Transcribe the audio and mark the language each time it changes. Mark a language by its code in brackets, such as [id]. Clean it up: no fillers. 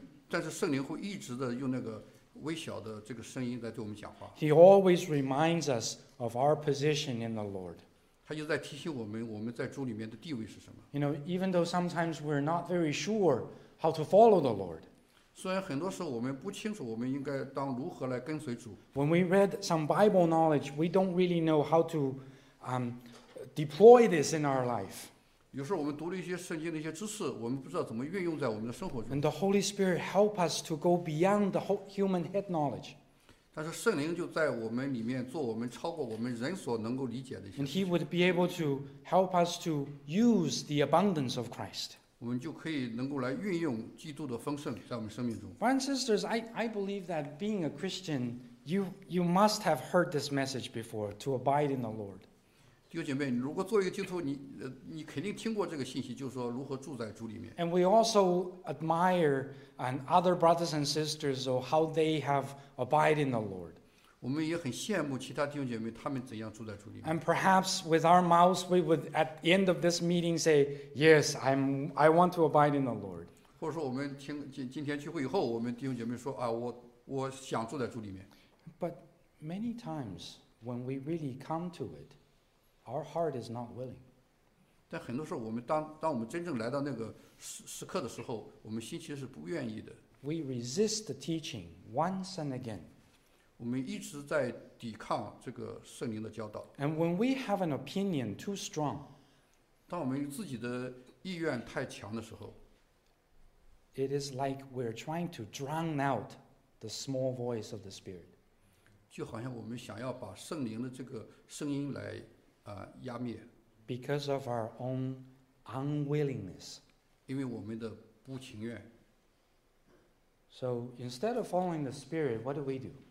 [zh] 但是圣灵会一直的用那个微小的这个声音在对我们讲话。 [en] He always reminds us of our position in the Lord. [zh] 他就在提醒我们，我们在主里面的地位是什么。 [en] You know, even though sometimes we're not very sure. How to follow the Lord. [zh] 虽然很多时候我们不清楚我们应该当如何来跟随主。 [en] When we read some Bible knowledge, we don't really know how to deploy this in our life. [zh] 有时候我们读了一些圣经的一些知识，我们不知道怎么运用在我们的生活中。 [en] And the Holy Spirit help us to go beyond the human head knowledge. [zh] 但是圣灵就在我们里面做我们超过我们人所能够理解的一些。 [en] And He would be able to help us to use the abundance of Christ. [zh] 我们就可以能够来运用基督的丰盛在我们生命中。 [en] Brothers and sisters, I believe that being a Christian, you must have heard this message before to abide in the Lord. [zh] 弟兄姐妹，如果做一个基督徒，你肯定听过这个信息，就是说如何住在主里面。 [en] And we also admire and other brothers and sisters of how they have abide in the Lord. [zh] 我们也很羡慕其他弟兄姐妹，他们怎样住在主里面。 [en] And perhaps with our mouths, we would at the end of this meeting say, "Yes, I want to abide in the Lord." [zh] 或者说，我们听今天聚会以后，我们弟兄姐妹说啊，我想住在主里面。 [en] But many times when we really come to it, our heart is not willing. [zh] 但很多时候，我们当我们真正来到那个时刻的时候，我们心其实是不愿意的。 [en] We resist the teaching once and again. [zh] 我们一直在抵抗这个圣灵的教导。 [en] And when we have an opinion too strong, [zh] 当我们自己的意愿太强的时候， [en] it is like we're trying to drown out the small voice of the Spirit. [zh] 就好像我们想要把圣灵的这个声音来压灭。 [en] Because of our own unwillingness. [zh] 因为我们的不情愿。 [en] So instead of following the Spirit, what do we do?